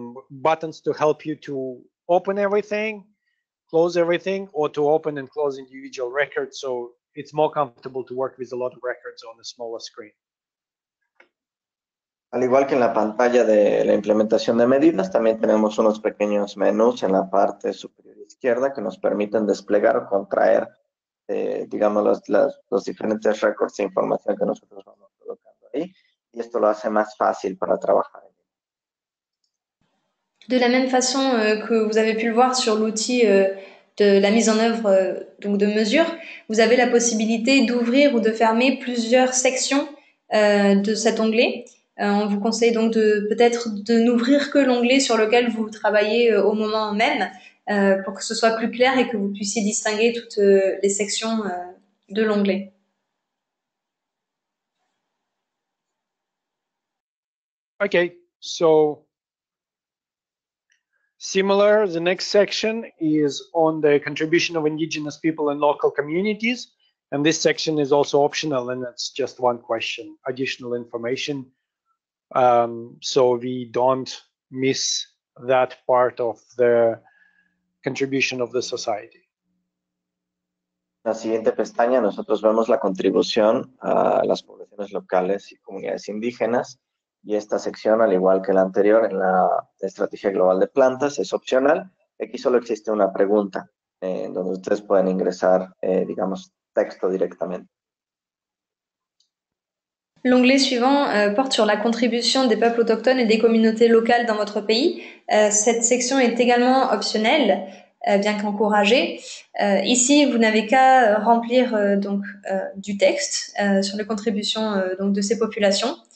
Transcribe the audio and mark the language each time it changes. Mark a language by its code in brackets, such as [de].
[en] buttons to help you to open everything, close everything, or to open and close individual records. So it's more comfortable to work with a lot of records on a smaller screen. [es] Al igual que en la pantalla de la implementación de medidas, también tenemos unos pequeños menús en la parte superior izquierda que nos permiten desplegar o contraer, digamos, los diferentes records de información que nosotros vamos colocando ahí. Y esto lo hace más fácil para trabajar. [fr] De la même façon que vous avez pu le voir sur l'outil de la mise en œuvre donc de mesures, vous avez la possibilité d'ouvrir ou de fermer plusieurs sections de cet onglet. On vous conseille donc de peut-être de n'ouvrir que l'onglet sur lequel vous travaillez au moment même pour que ce soit plus clair et que vous puissiez distinguer toutes les sections de l'onglet. [en] OK. So similar, the next section is on the contribution of indigenous people and local communities. And this section is also optional, and it's just one question, additional information. So we don't miss that part of the contribution of the society. [es] La siguiente pestaña, nosotros vemos la contribución a las poblaciones locales y comunidades indígenas. Y esta sección, al igual que la anterior, en la estrategia global de plantas, es opcional. Aquí solo existe una pregunta donde ustedes pueden ingresar, digamos, texto directamente. [fr] L'onglet suivant porte sur la contribution des peuples autochtones et des communautés locales dans votre pays. Cette section est également optionnelle, bien qu'encouragée. Ici, vous n'avez qu'à remplir du texte sur les contributions de ces populations.